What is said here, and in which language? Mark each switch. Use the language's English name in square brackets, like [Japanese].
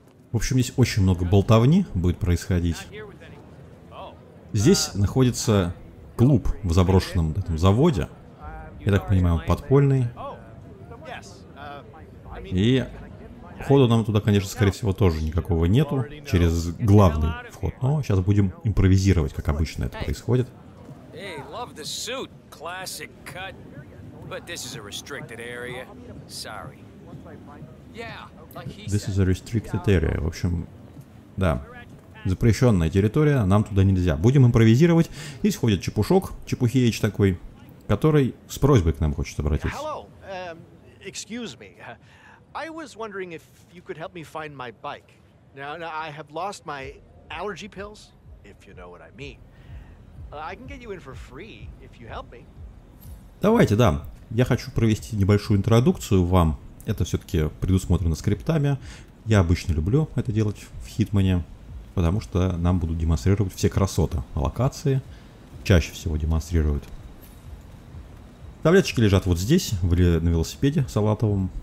[Russian] В общем, здесь очень много болтовни будет происходить. Здесь находится клуб в заброшенном этом заводе. Я так понимаю, он подпольный. И входа нам туда, конечно, скорее всего, тоже никакого нету. Через главный вход. Но сейчас будем импровизировать, как обычно это происходит. [English] Hey, love the suit. Classic cut. But this is a restricted area. Sorry. Yeah, like he said. This is a restricted area. [Russian] В общем, да. Запрещенная территория, нам туда нельзя. Будем импровизировать. И сходит чепушок, чепухеич такой, который с просьбой к нам хочет обратиться. [English] Hello. Excuse me. I was wondering if you could help me find my bike. Now I have lost my allergy pills, if you know what I mean. I can get you in for free if you help me. [Russian] Давайте, да. Я хочу провести небольшую интродукцию вам. Это все-таки предусмотрено скриптами. Я обычно люблю это делать в Хитмане, потому что нам будут демонстрировать все красоты локации. Чаще всего демонстрируют. Таблеточки лежат вот здесь, на велосипеде салатовом.